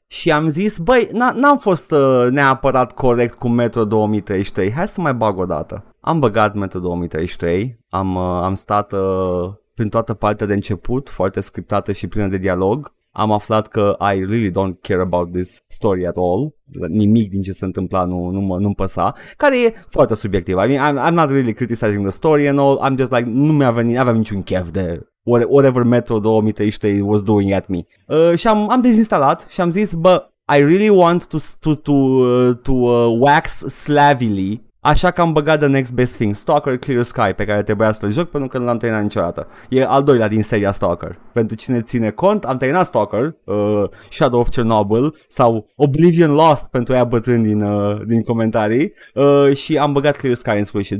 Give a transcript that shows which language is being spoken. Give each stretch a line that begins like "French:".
Romanian: Și am zis, băi, n-am fost neapărat corect cu Metro 2033, hai să mai bag o dată. Am băgat Metro 2033, am stat... prin toată partea de început, foarte scriptată și plină de dialog, am aflat că
English: I really don't care about this story at all,
Romanian: nimic din ce se întâmpla nu-mi păsa, care e foarte subiectiv.
English: I mean, I'm not really criticizing the story and all, I'm just like,
Romanian: nu aveam niciun chef de
English: whatever Metro 2033 was doing at me.
Romanian: Și am dezinstalat și am zis, bă,
English: I really want to wax slavily.
Romanian: Așa că am băgat The Next Best Thing, Stalker Clear Sky, pe care trebuia să-l joc pentru că nu l-am terminat niciodată. E al doilea din seria Stalker. Pentru cine ține cont, am terminat Stalker, Shadow of Chernobyl sau Oblivion Lost pentru aia bătrân din comentarii și am băgat Clear Sky în sfârșit.